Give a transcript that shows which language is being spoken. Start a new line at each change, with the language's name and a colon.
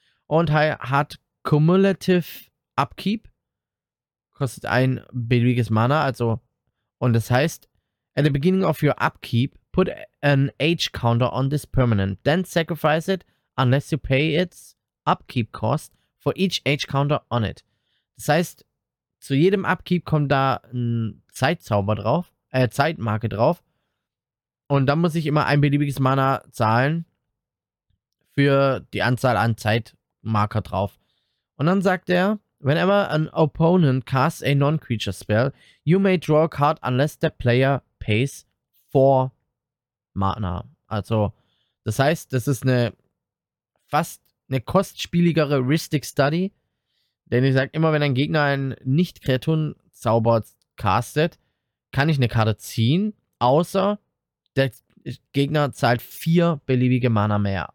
German: Und hat Cumulative Upkeep, kostet 1 beliebiges Mana, also, und das heißt,
English: at the beginning of your upkeep, put an age counter on this permanent, then sacrifice it, unless you pay its upkeep cost for each age counter on it.
German: Das heißt, zu jedem Upkeep kommt da ein Zeitzauber drauf, Zeitmarke drauf, und dann muss ich immer 1 beliebiges Mana zahlen für die Anzahl an Zeitmarker drauf. Und dann sagt er,
English: Whenever an opponent casts a non-creature spell, you may draw a card unless the player pays 4 Mana.
German: Also, das heißt, das ist eine fast eine kostspieligere Rhystic Study. Denn ich sage, immer wenn ein Gegner einen Nicht-Kreaturen-Zauber castet, kann ich eine Karte ziehen, außer der Gegner zahlt 4 beliebige Mana mehr.